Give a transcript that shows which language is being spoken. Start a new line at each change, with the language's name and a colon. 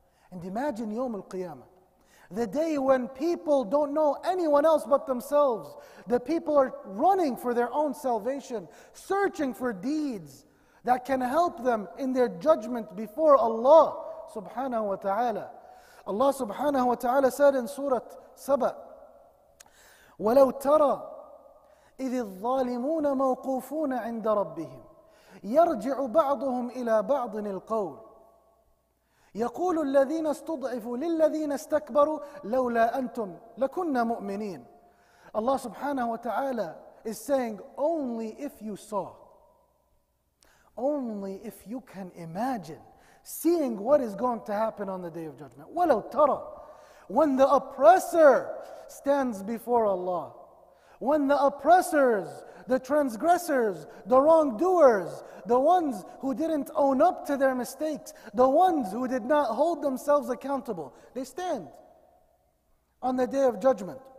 English: And imagine Yawm al-Qiyamah. The day when people don't know anyone else but themselves. The people are running for their own salvation, searching for deeds that can help them in their judgment before Allah subhanahu wa ta'ala. Allah subhanahu wa ta'ala said in Surah Saba,
Arabic: وَلَوْ تَرَى إِذِ الظَّالِمُونَ مَوْقُوفُونَ عِنْدَ رَبِّهِمْ يَرْجِعُ بَعْضُهُمْ إِلَىٰ بَعْضٍ الْقَوْلِ يقول الذين استضعفوا للذين استكبروا لولا أنتم لكنا مؤمنين.
English: Allah subhanahu wa ta'ala is saying, only if you saw, only if you can imagine seeing what is going to happen on the Day of Judgment.
Arabic: وَلَوْ تَرَى,
English: when the oppressor stands before Allah, when the oppressors, the transgressors, the wrongdoers, the ones who didn't own up to their mistakes, the ones who did not hold themselves accountable, they stand on the Day of Judgment.